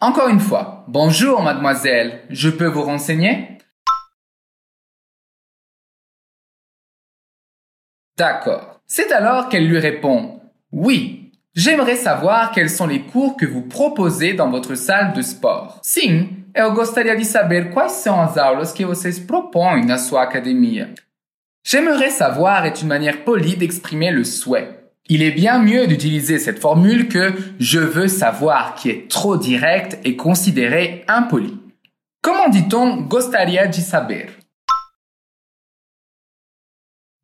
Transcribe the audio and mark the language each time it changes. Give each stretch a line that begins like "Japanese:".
French: Encore une fois, bonjour mademoiselle, je peux vous renseigner ? D'accord. C'est alors qu'elle lui répond « Oui, j'aimerais savoir quels sont les cours que vous proposez dans votre salle de sport.
Portuguese: Sim, eu gostaria de saber quais são as aulas que vocês propõem na sua academia. »
French: J'aimerais savoir est une manière polie d'exprimer le souhait. Il est bien mieux d'utiliser cette formule que « je veux savoir » qui est trop directe et considérée impolie. Comment dit-on «
Portuguese: gostaria de saber » ?